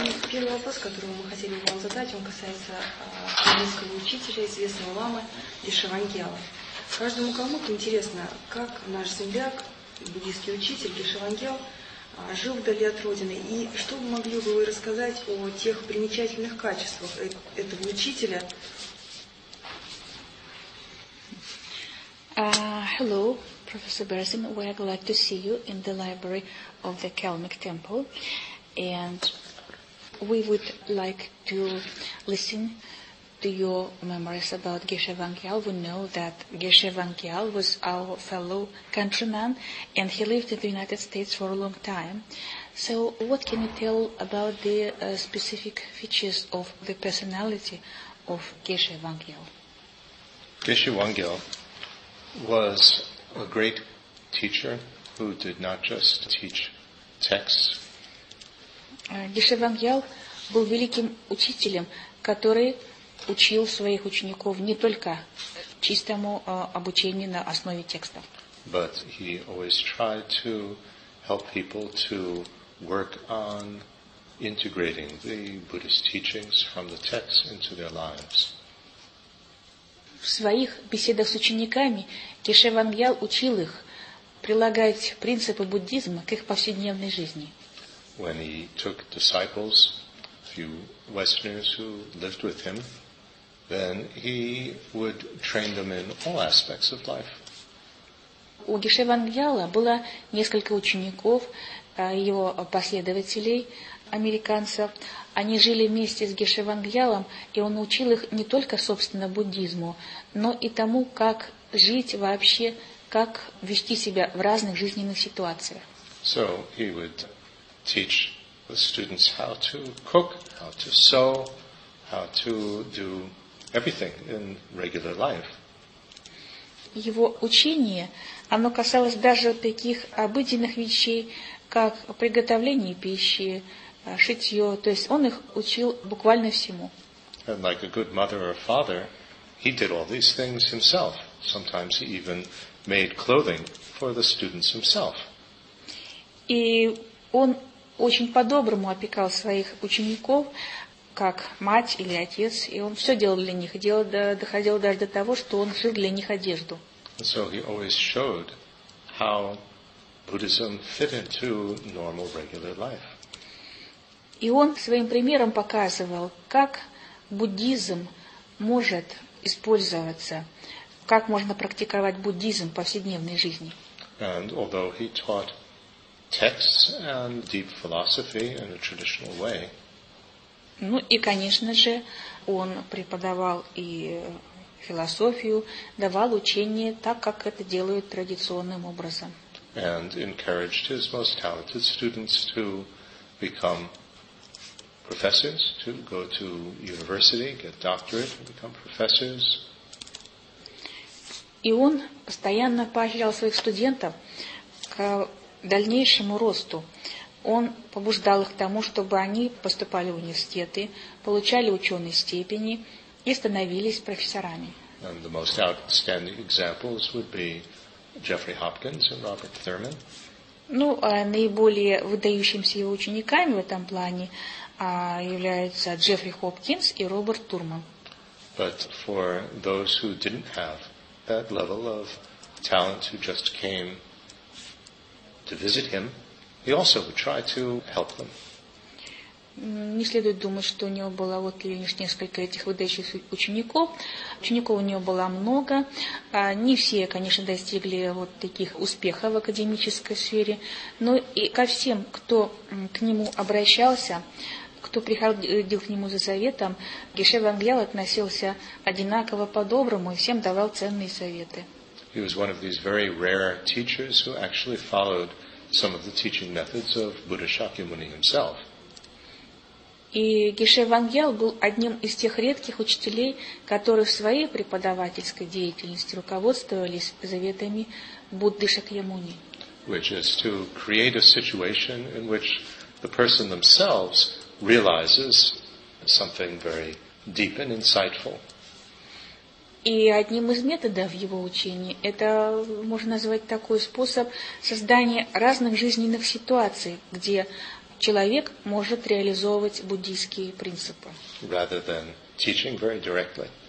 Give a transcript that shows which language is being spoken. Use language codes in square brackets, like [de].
[ru] Первый вопрос, который мы хотели вам задать, он касается английского учителя, известного ламы Гешевангьялы. Каждому калмыку интересно, как наш земляк, буддийский учитель Гешевангьял, жил вдали от родины. И что вы могли бы вы рассказать о тех примечательных качествах этого учителя? [en] Hello. Professor Berzin, we are glad to see you in the library of the Kalmyk Temple, and we would like to listen to your memories about Gheshevangyal. We know that Gheshevangyal was our fellow countryman, and he lived in the United States for a long time. So what can you tell about the specific features of the personality of Gheshevangyal? Gheshevangyal was a great teacher who did not just teach texts. [ru] Гешевангьял был великим учителем, который учил своих учеников не только чистому обучению на основе текстов. [en] But he always tried to help people to work on integrating the Buddhist teachings from the texts into their lives. [ru] В своих беседах с учениками Гешевангьял учил их прилагать принципы буддизма к их повседневной жизни. [en] When he took disciples, a few Westerners who lived with him, then he would train them in all aspects of life. [ru] У Гешевангьяла было несколько учеников, его последователей, американцев. Они жили вместе с Гешевангьялом, и он учил их не только, собственно, буддизму, но и тому, как жить вообще, как вести себя в разных жизненных ситуациях. [en] So he would teach the students how to cook, how to sew, how to do everything in regular life. [ru] Его учение, оно касалось даже таких обыденных вещей, как приготовление пищи, шитье, то есть он их учил буквально всему. [en] And like a good mother or father, he did all these things himself. Sometimes he even made clothing for the students himself. [ru] И он очень по-доброму опекал своих учеников, как мать или отец, и он все делал для них, доходило даже до того, что он шил для них одежду. [en] And so he always showed how Buddhism fit into normal, regular life. [ru] И он своим примером показывал, как буддизм может использоваться, как можно практиковать буддизм в повседневной жизни. [en] And although he taught texts and deep philosophy in a traditional way. [ru] Ну и, конечно же, он преподавал и философию, давал учение так, как это делают традиционным образом. [en] And encouraged his most talented students to become professors, to go to university, get doctorate, and become professors. [ru] И он постоянно поощрял своих студентов к дальнейшему росту. Он побуждал их к тому, чтобы они поступали в университеты, получали ученые степени и становились профессорами. [en] And the most outstanding examples would be Джеффри Хопкинс и Роберт Термин. [ru] Ну, наиболее выдающимися его учениками в этом плане являются Джеффри Хопкинс и Роберт Турман. [en] But for those who didn't have that level of talent, who just came to visit him, he also would try to help them. [ru] Не следует думать, что у него было вот лишь несколько этих выдающихся учеников. Учеников у него было много. Не все, конечно, достигли вот таких успехов в академической сфере. Но и ко всем, кто к нему обращался, кто приходил к нему за советом, Гешевангьял относился одинаково по-доброму и всем давал ценные советы. [en] He was one of these very rare teachers who actually followed some of the teaching methods of Buddha Shakyamuni himself. [ru] И Гешевангьял был одним из тех редких учителей, которые в своей преподавательской деятельности руководствовались заветами Будды Шакьямуни. [en] Which is to create a situation in which the person themselves realizes something very deep and insightful. [ru] И одним из методов его учения, это можно назвать такой способ создания разных жизненных ситуаций, где человек может реализовывать буддийские принципы. [en] Rather than teaching very directly.